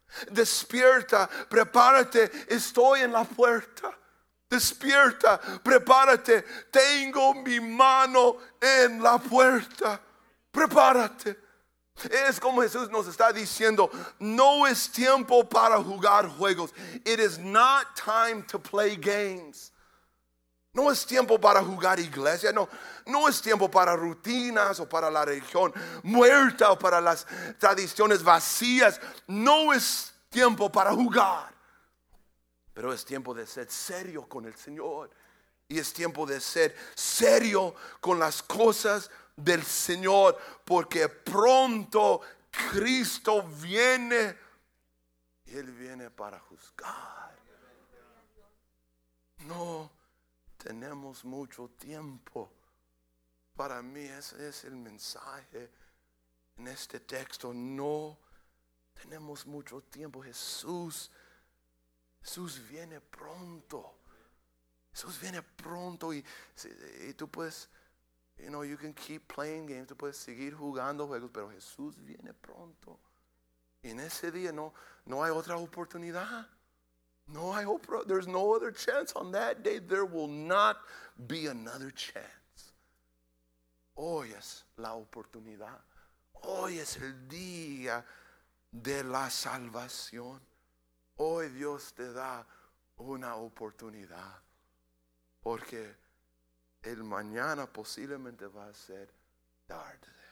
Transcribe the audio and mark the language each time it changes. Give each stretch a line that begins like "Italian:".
Spanish: Despierta, prepárate, estoy en la puerta. Despierta, prepárate, tengo mi mano en la puerta. Prepárate. Es como Jesús nos está diciendo: no es tiempo para jugar juegos.
English: It is not time to play games.
Spanish: No es tiempo para jugar iglesia, no. No es tiempo para rutinas o para la religión muerta o para las tradiciones vacías. No es tiempo para jugar. Pero es tiempo de ser serio con el Señor. Y es tiempo de ser serio con las cosas del Señor. Porque pronto Cristo viene. Y Él viene para juzgar. No tenemos mucho tiempo. Para mí ese es el mensaje en este texto. No tenemos mucho tiempo. Jesús viene pronto. Jesús viene pronto. Y tú puedes,
English: you know, you can keep playing games.
Spanish: Tú puedes seguir jugando juegos, pero Jesús viene pronto. Y en ese día no hay otra oportunidad. No hay otra.
English: There's no other chance. On that day there will not be another chance.
Spanish: Hoy es la oportunidad. Hoy es el día de la salvación. Hoy Dios te da una oportunidad. Porque el mañana posiblemente va a ser tarde.